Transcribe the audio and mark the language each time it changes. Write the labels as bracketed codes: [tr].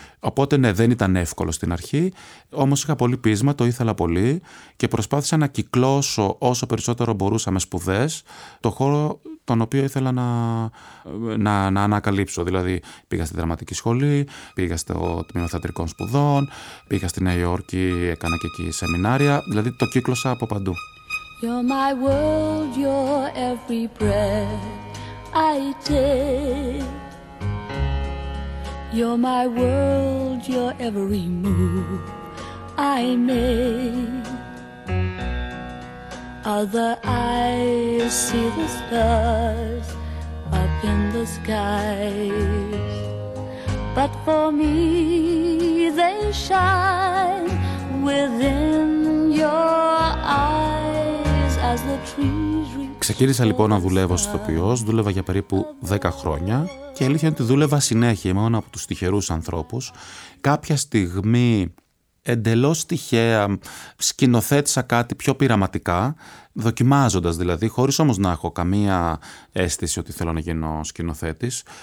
[el] Οπότε ναι, δεν ήταν εύκολο στην αρχή, όμως είχα πολύ πείσμα, το ήθελα πολύ και προσπάθησα να κυκλώσω όσο περισσότερο μπορούσα με σπουδές το χώρο τον οποίο ήθελα να ανακαλύψω. Δηλαδή πήγα στη δραματική σχολή, πήγα στο τμήμα θεατρικών σπουδών, πήγα στη Νέα Υόρκη, έκανα και εκεί σεμινάρια, δηλαδή το κύκλωσα από παντού. [en] You're my world, you're every breath I take. You're my world, you're every move I make. Other eyes see the stars up in the skies, but for me they shine within your eyes as the trees. [el] Ξεκίνησα λοιπόν να δουλεύω ως ηθοποιός, δούλευα για περίπου 10 χρόνια και η αλήθεια είναι ότι δούλευα συνέχεια, ήμουν από τους τυχερούς ανθρώπους. Κάποια στιγμή εντελώς τυχαία σκηνοθέτησα κάτι πιο πειραματικά, δοκιμάζοντας δηλαδή, χωρίς όμως να έχω καμία αίσθηση ότι θέλω να γίνω σκηνοθέτης.